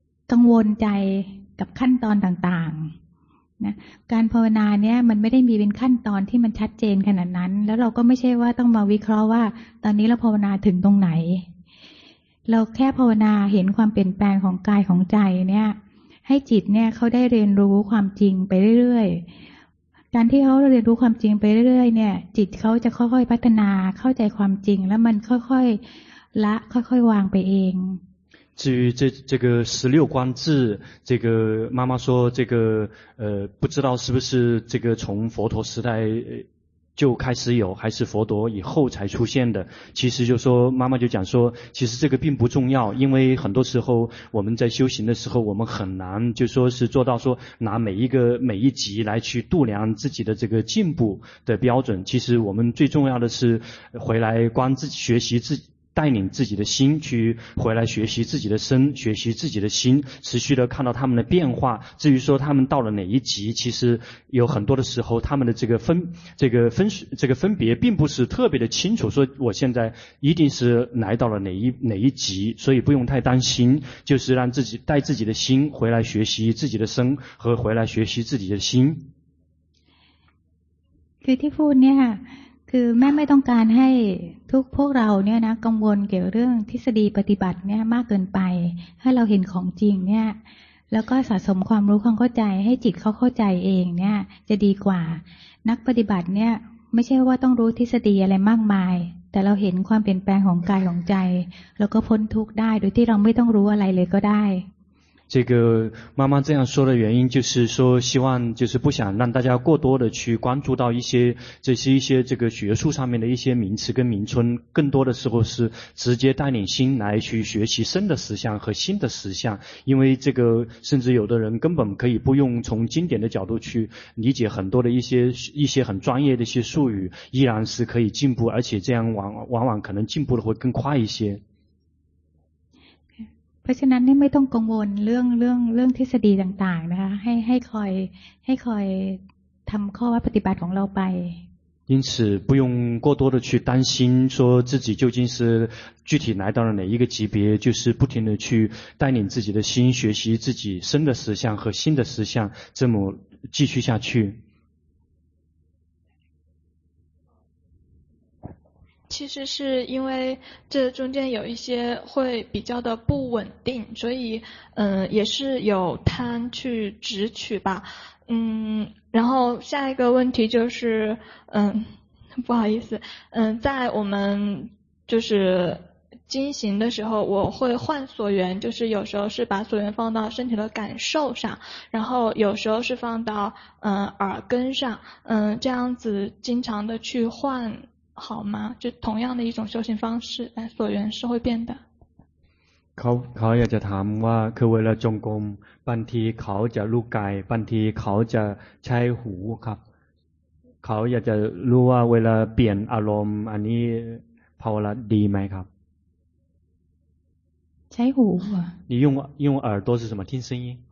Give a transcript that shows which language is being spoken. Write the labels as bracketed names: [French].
[Thai] กังวลใจกับขั้นตอนต่างๆนะการภาวนาเนี่ยมันไม่ได้มีเป็นขั้นตอนที่มันชัดเจนขนาดนั้นแล้วเราก็ไม่ใช่ว่าต้องมาวิเคราะห์ว่าตอนนี้เราภาวนาถึงตรงไหนเราแค่ภาวนาเห็นความเปลี่ยนแปลงของกายของใจเนี่ยให้จิตเนี่ยเขาได้เรียนรู้ความจริงไปเรื่อยๆการที่เขาเรียนรู้ความจริงไปเรื่อยๆเนี่ยจิตเขาจะค่อยๆพัฒนาเข้าใจความจริงแล้วมันค่อยๆละค่อยๆวางไปเอง [Chinese] 至于这个十六观智，这个妈妈说这个不知道是不是这个从佛陀时代就开始有，还是佛陀以后才出现的。其实就说妈妈就讲说，其实这个并不重要，因为很多时候我们在修行的时候，我们很难就说是做到说拿每一级来去度量自己的这个进步的标准。其实我们最重要的是回来观自己，学习自己，带领自己的心去回来学习自己的身，学习自己的心，持续的看到他们的变化。至于说他们到了哪一级，其实有很多的时候他们的这个分别并不是特别的清楚，说我现在一定是来到了哪一级，所以不用太担心，就是让自己带自己的心回来学习自己的身和回来学习自己的心。 [Thai] คือที่พูดเนี่ยคือแม่ไม่ต้องการให้ทุกพวกเราเนี่ยนะกังวลเกี่ยวเรื่องทฤษฎีปฏิบัติเนี่ยมากเกินไปให้เราเห็นของจริงเนี่ยแล้วก็สะสมความรู้ความเข้าใจให้จิตเขาเข้าใจเองเนี่ยจะดีกว่านักปฏิบัติเนี่ยไม่ใช่ว่าต้องรู้ทฤษฎีอะไรมากมายแต่เราเห็นความเปลี่ยนแปลงของกายของใจแล้วก็พ้นทุกข์ได้โดยที่เราไม่ต้องรู้อะไรเลยก็ได้ [Chinese] 这个妈妈这样说的原因就是说希望就是不想让大家过多的去关注到一些这个学术上面的一些名词跟名称，更多的时候是直接带领心来去学习身的实相和心的实相。因为这个甚至有的人根本可以不用从经典的角度去理解很多的一些很专业的一些术语，依然是可以进步，而且这样往往可能进步的会更快一些。 [Thai] เพราะฉะนั้นไม่ต้องกังวลเรื่องทฤษฎีต่างๆนะคะให้คอยทำข้อวัดปฏิบัติของเราไป [Chinese] 因此不用过多的去担心说自己究竟是具体来到了哪一个级别，就是不停的去带领自己的心学习自己身的实相和心的实相，这么继续下去。其实是因为这中间有一些会比较的不稳定，所以也是有贪去执取吧。然后下一个问题就是不好意思，在我们就是进行的时候，我会换所缘，就是有时候是把所缘放到身体的感受上，然后有时候是放到耳根上，这样子经常的去换好吗？就同样的一种修行方式，所缘是会变的。 [Thai] เขาอยากจะถามว่าคือเวลาจงกรมบางทีเขาจะรู้กายบางทีเขาจะใช้หูครับเขาอยากจะรู้ว่าเวลาเปลี่ยนอารมณ์อันนี้พอละดีไหมครับ ใช้หูอ่ะ [Chinese] 你用耳朵是什么听声音